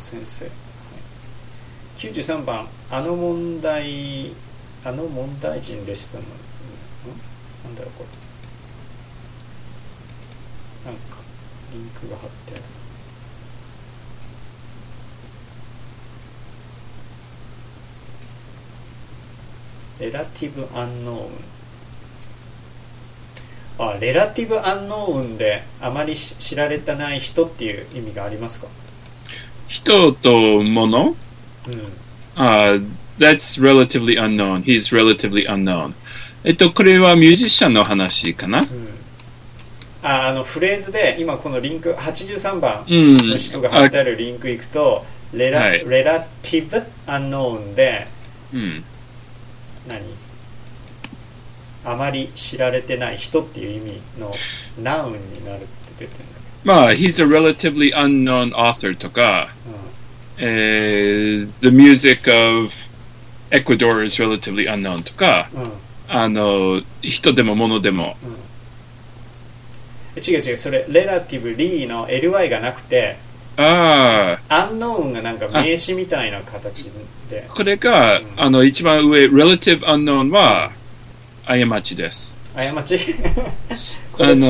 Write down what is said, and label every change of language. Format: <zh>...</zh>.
<ja>そう、先生、はい、93番、あの問題人でしたの、うん、なんだろうこれ、なんかリンクが貼ってある、レラティブアンノーウン、あ、レラティブアンノーウンであまり知られてない人っていう意味がありますか。人と物、うん、</ja> <en>That's relatively unknown. He's relatively unknown.</en> <ja>これはミュージシャンの話かな、うん、フレーズで今このリンク83番の人が貼ってあるリンク行くと、うん、レラティブアンノーウンで、うん、何、あまり知られてない人っていう意味のナウンになるって出てるんだけど、まあ</ja> <en>He's a relatively unknown author</en> <ja>とか、うん、</ja> <en>The music of Ecuador is relatively unknown</en> <ja>とか、うん、人でも物でも、うん、違う違う、それレラティブリーの ly がなくて、アンノーンがなんか名詞みたいな形で、これが、うん、一番上</ja> <en>relative unknown</en> <ja>は過ちです。過ちこれ伝</ja>